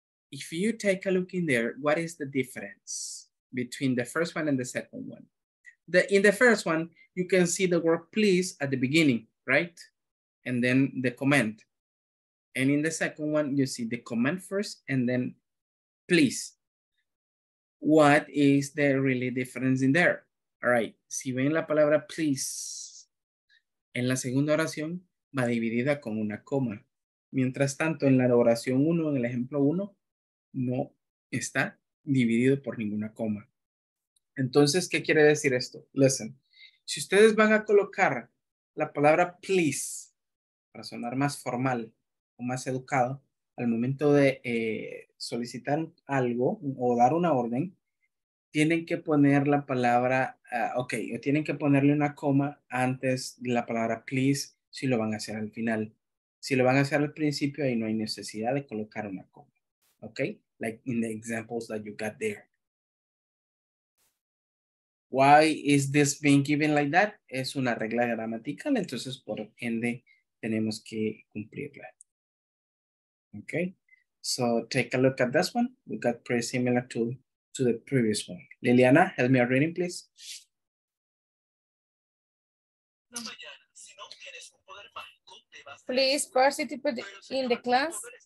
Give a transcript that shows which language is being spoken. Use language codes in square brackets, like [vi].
[en] If you take a look in there, what is the difference between the first one and the second one? In the first one, you can see the word please at the beginning, right? And then the command. And in the second one, you see the command first and then please. What is the really difference in there? All right, [es] si ven la palabra please, en la segunda oración va dividida con una coma. Mientras tanto, en la oración 1, en el ejemplo 1, no está dividido por ninguna coma. Entonces, ¿qué quiere decir esto? Listen, si ustedes van a colocar la palabra please para sonar más formal o más educado, al momento de solicitar algo o dar una orden, tienen que poner la palabra, tienen que ponerle una coma antes de la palabra please si lo van a hacer al final. Si lo van a hacer al principio, ahí no hay necesidad de colocar una coma. [en] Okay? Like in the examples that you got there. Why is this being given like that? [es] Es una regla gramatical, entonces por ende tenemos que cumplirla. [en] Okay, so take a look at this one. We got pretty similar to the previous one. Liliana, help me out reading, please. Please participate in the class.